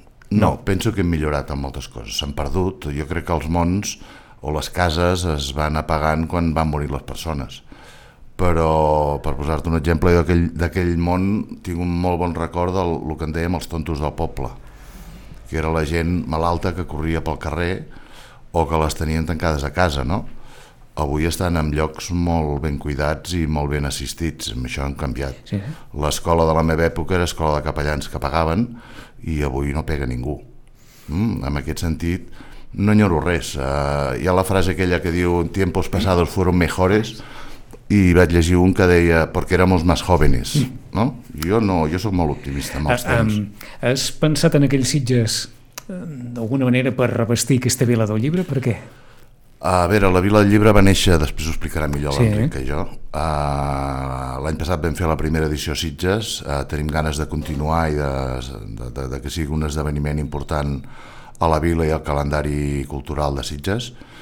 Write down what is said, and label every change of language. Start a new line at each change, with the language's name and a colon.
Catalan: No, penso que hem millorat en moltes coses, s'han perdut. Jo crec que els mons o les cases es van apagant quan van morir les persones, però per posar-te un exemple, jo d'aquell món tinc un molt bon record del que en dèiem els tontos del poble, que era la gent malalta que corria pel carrer o que les tenien tancades a casa, no? Avui estan en llocs molt ben cuidats i molt ben assistits, amb això han canviat. Sí. L'escola de la meva època era escola de capellans que pagaven, i avui no pega ningú. En aquest sentit, no enyoro res. Hi ha la frase aquella que diu
Spanish: "tiempos pasados fueron mejores",
Catalan: i vaig llegir un que deia
Spanish: "porque éramos más jóvenes".
Catalan: No? Jo sóc molt optimista amb els temps. Has pensat en aquells Sitges d'alguna manera per revestir aquesta Vila del Llibre? Per què? A veure, la Vila del Llibre va néixer, després ho explicarà millor l'Enric que jo. L'any passat vam fer la primera edició a Sitges, tenim ganes de continuar i de que sigui un esdeveniment important a la vila i al calendari cultural de Sitges.